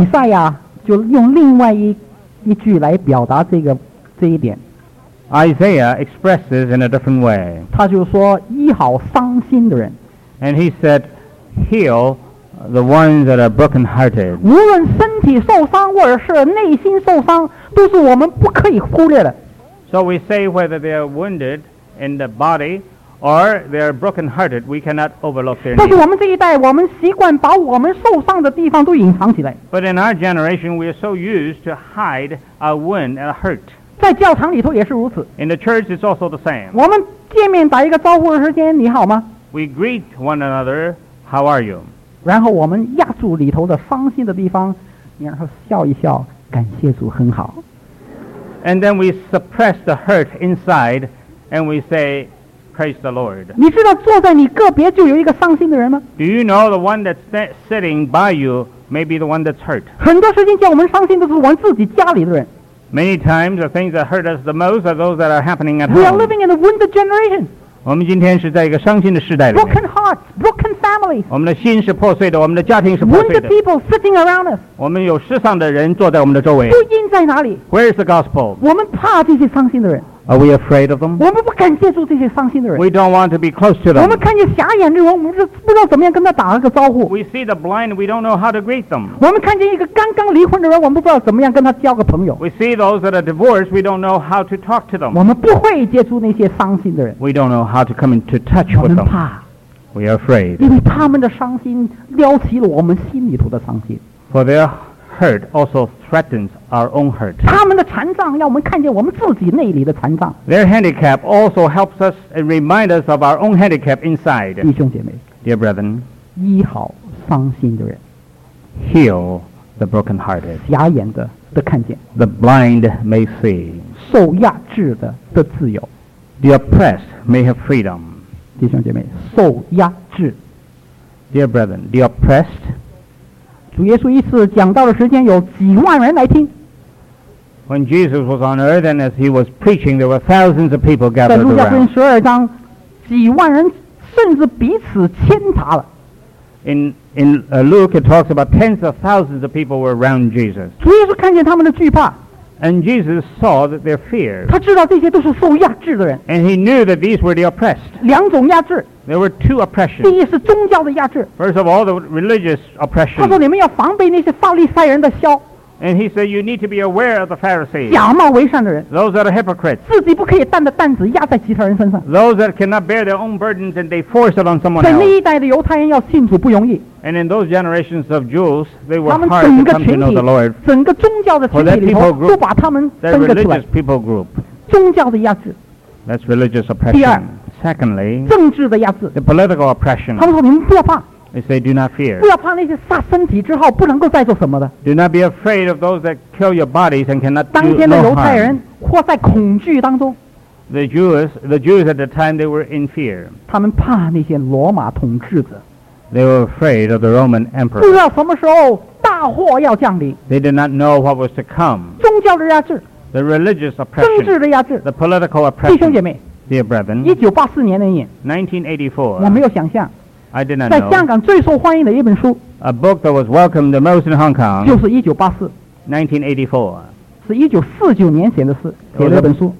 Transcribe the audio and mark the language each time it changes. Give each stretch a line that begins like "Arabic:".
Chinese: 以赛亚就用另外一句来表达这一点
English: Isaiah expresses in a different way.
Chinese: 他就说医好伤心的人
English: And he said, heal the ones that are broken hearted.
Chinese: 无论身体受伤或者是内心受伤都是我们不可以忽略的
English: So we say whether they are wounded in the bodyOr they are broken-hearted. We cannot overlook their needs.
Chinese: 但是我们这一代，我们习惯把我们受伤的地方都隐藏起来。
English: But in our generation, we are so used to hide our wound and our hurt.
Chinese: 在教堂里头也是如此。
English: In the church, it's also the same.
Chinese: 我们见面打一个招呼的时间，你好吗
English: ？We greet one another. How are you?
Chinese: 然后我们压住里头的伤心的地方，然后笑一笑，感谢主，很好。
English: And then we suppress the hurt inside, and we say. Praise the Lord.
Chinese: 你知道坐在你个别就有一个伤心的人吗
English: Do you know the one that's sitting by you may be the one that's hurt?
Chinese: 很多事情叫我们伤心的是我们自己家里的人
English: Many times the things that hurt us the most are those that are happening at home. We are living in a wounded generation.
Chinese: 我们今天是在一个伤心的时代里面。
English: Broken hearts, broken families.
Chinese: 我们的心是破碎的，我们的家庭是破碎的。
English: Wounded people sitting around us.
Chinese: 我们有失丧的人坐在我们的周围。福音在哪里？
English: Where is the gospel?
Chinese: 我们怕这些伤心的人。
English: Are we afraid of them?
Chinese: 我们不敢接触这些伤心的人。
English: We don't want to be close to them.
Chinese: 我们看见瞎眼的人，我们不知道怎么样跟他打了个招呼。
English: We see the blind, we don't know how to greet them.
Chinese: 我们看见一个刚刚离婚的人，我们不知道怎么样跟他交个朋友。
English: We see those that are divorced, we don't know how to talk to them.
Chinese: 我们不会接触那些伤心的人。
English: We don't know how to come into touch with them.
Chinese: 我们怕。
English: We are afraid.
Chinese: 因为他们的伤心撩起了我们心里头的伤心。
English: For their hurt also threatens our own hurt.
Chinese: 他们的残障让我们看见我们自己内里的残障。
English: Their handicap also helps us and reminds us of our own handicap inside.
Chinese: 弟兄姐妹
English: ，Dear brethren，
Chinese: 医好伤心的人
English: ，Heal the brokenhearted.
Chinese: 瞎眼的都看见
English: ，The blind may see.
Chinese: 受压制的得自由
English: ，The oppressed may have freedom.
Chinese: 弟兄姐妹，受压制
English: ，Dear brethren, the oppressed.
Chinese: 主耶稣一次讲道的时间有几万人来听。
English: When Jesus was on earth and as he was preaching, there were thousands of people gathered around.
Chinese: 在路加福音十二章，几万人甚至彼此牵扯了。
English: In Luke, it talks about tens of thousands of people were around Jesus.
Chinese: 主耶稣看见他们的惧怕。
English: And Jesus saw that their fear.
Chinese: 他知道这些都是受压制的人。
English: And he knew that these were the oppressed.
Chinese: 两种压制。
English: There were two oppressions.
Chinese: 第一是宗教的压制。
English: First of all, the religious oppression.
Chinese: 他说你们要防备那些法利赛人的嚣。
English: And he said you need to be aware of the Pharisees.
Chinese: 假冒为善的人。
English: Those that are hypocrites.
Chinese: 自己不可以担的担子压在其他人身上。
English: Those that cannot bear their own burdens and they force it on someone else.
Chinese: 在那一代的犹太人要信主不容易。
English: And in those generations of Jews, they were hard to come to know the Lord.
Chinese: 整个宗教的群体里头都把他们分割出来。
English: Their religious people group.
Chinese: 宗教的压制。
English: That's religious oppression.
Chinese: 第二。
English: Secondly,
Chinese: 政治的压制
English: the political oppression.
Chinese: 他们说你们不要怕
English: They say do not fear.
Chinese: 不要怕那些杀身体之后不能够再做什么的
English: Do not be afraid of those that kill your bodies and cannot do no harm.
Chinese: 当天的犹太人活在恐惧当中
English: The Jews at the time they were in fear.
Chinese: 他们怕那些罗马统治者
English: They were afraid of the Roman emperor.
Chinese: 不知道什么时候大祸要降临
English: They did not know what was to come.
Chinese: 宗教的压制
English: The religious oppression.
Chinese: 政治的压制
English: The political oppression.
Chinese: 弟兄姐妹
English: Dear brethren,
Chinese: 1984年那年 1984, 我没有想象
English: I did not know,
Chinese: 在香港最受欢迎的一本书
English: A book that was welcomed the most in Hong Kong
Chinese: 就是1984 1984 是1949年写的诗写的一本书